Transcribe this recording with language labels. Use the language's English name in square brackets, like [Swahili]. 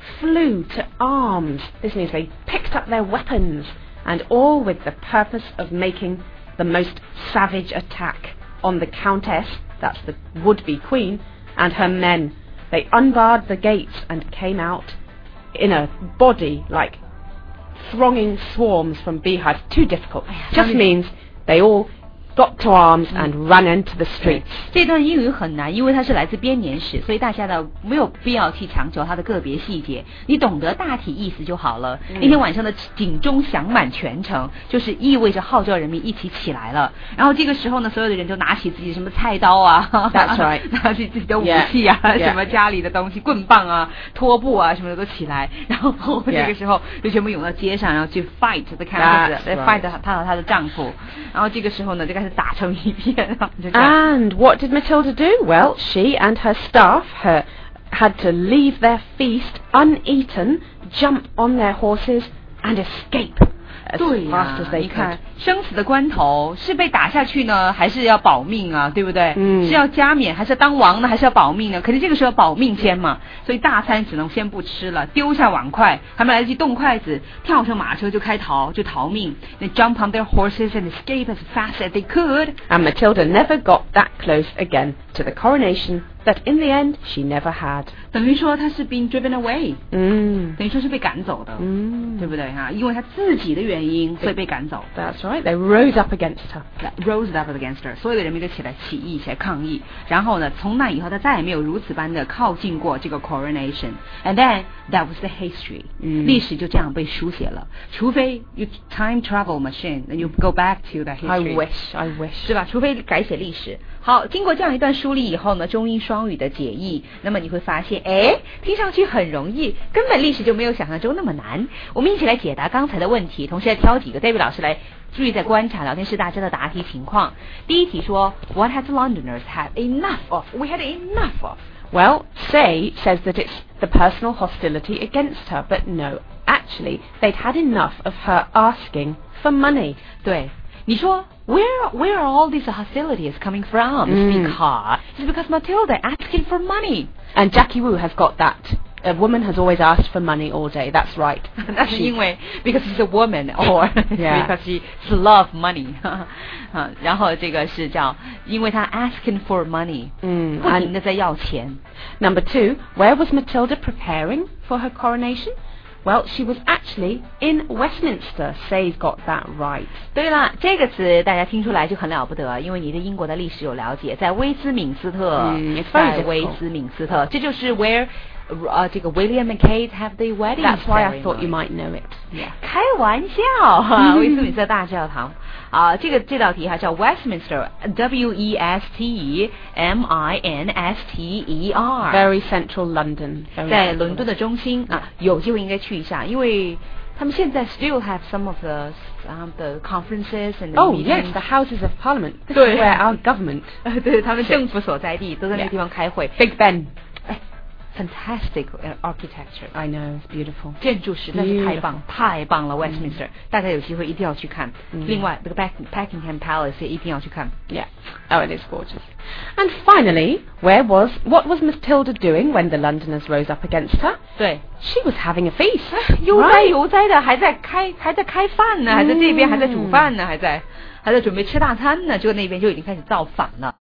[English] Flew to arms. This means they picked up their weapons, and all with the purpose of making the most savage attack on the countess, that's the would-be queen, and her men. They unbarred the gates and came out in a body like thronging swarms from beehives. Too difficult. Just means they all. Got to arms and ran into the streets. [Chinese] 这段英语很难，因为它是来自编年史，所以大家呢没有必要去强求它的个别细节，你懂得大体意思就好了。那天晚上的警钟响满全城，就是意味着号召人民一起起来了。然后这个时候呢，所有的人就拿起自己什么菜刀啊 [English] ，That's right， [Chinese] 拿起自己的武器啊， [English] yeah. [Chinese] 什么家里的东西，棍棒啊、拖布啊什么的都起来，然后这个时候就全部涌到街上，然后去 [English] fight the countess，fight、 right. [Chinese] 她和她的丈夫。然后这个时候呢，就开始。打成一片 [English] And what did Matilda do? Well, she and her staff had to leave their feast uneaten, jump on their horses, and escape as fast as they could. [Chinese] 你看，生死的关头是被打下去呢，还是要保命啊？对不对？是要加冕，还是要当王呢？还是要保命呢？肯定这个时候保命先嘛。所以大餐只能先不吃了，丢下碗筷，还没来得及动筷子，跳上马车就开逃，就逃命。 [English] They jump on their horses and escape as fast as they could. And Matilda never got that close again to the coronation that in the end she never had. [Chinese] 等于说她是 [English] being driven away. [Chinese] 等于说是被赶走的。对不对哈？因为她自己的原因，所以被赶走。 [English] That's right. They rose up against her. Rose up against her. [Chinese] 所有的人民都起来起义，起来抗议。然后呢，从那以后，她再也没有如此般的靠近过这个 coronation. [English] And then that was the history. [Chinese] 历史就这样被书写了。除非 [English] you time travel machine, then you go back to that history. I wish. [Chinese] 对吧？除非改写历史。好，经过这样一段梳理以后呢，中英双语的解译，那么你会发现，哎，听上去很容易，根本历史就没有想象中那么难。我们一起来解答刚才的问题，同时来挑几个 David 老师来注意在观察聊天室大家的答题情况。第一题说 [English] ，What has Londoners had enough of? We had enough of. Well, Say says that it's the personal hostility against her, but no, actually, they'd had enough of her asking for money. [Chinese] 对。 [English] 你说 where are all these hostilities coming from? Because Matilda asking for money. And Jackie Wu has got that a woman has always asked for money all day. That's right. [Chinese] 那是因为 [English] because she's a woman or <Yeah. S 2> because she love money. [Chinese] 然后这个是叫因为她 [English] asking for money. [Chinese] 不停地在要钱。 [English] Number two, where was Matilda preparing for her coronation? Well, she was actually in Westminster. Say got that right. [Chinese] 对啦，这个词大家听出来就很了不得，因为你对英国的历史有了解，在威斯敏斯特，在威斯敏斯特，这就是 where、这个 [English] William and Kate have the wedding. That's why I thought you might know it. Yeah. [Chinese] 开玩笑，威斯敏斯特大教堂。啊、这个这道题还叫 Westminster, W-E-S-T-E-M-I-N-S-T-E-R. [English] Very central London. [Chinese] Very 在伦敦的中心、啊、有机会应该去一下，因为他们现在 [English] still have some of the conferences and the oh, meetings. Oh, yes, the Houses of Parliament. Where our government. [Chinese] 对，他们政府所在地都在那地方开会。 [English] Yeah. Big Ben. Fantastic architecture. I know, it's beautiful. [Chinese] 建筑实在是太棒，太棒了 ，Westminster.、Mm. 大家有机会一定要去看。 Mm. 另外，这个 Buckingham Palace 也一定要去看。 [English] Yeah. Oh, it is gorgeous. And finally, what was Matilda doing when the Londoners rose up against her? [Chinese] 对 [English] ，She was having a feast. [Chinese] 悠哉悠哉的，还在开饭呢，还在这边还在煮饭呢，还在准备吃大餐呢，结果那边就已经开始造反了。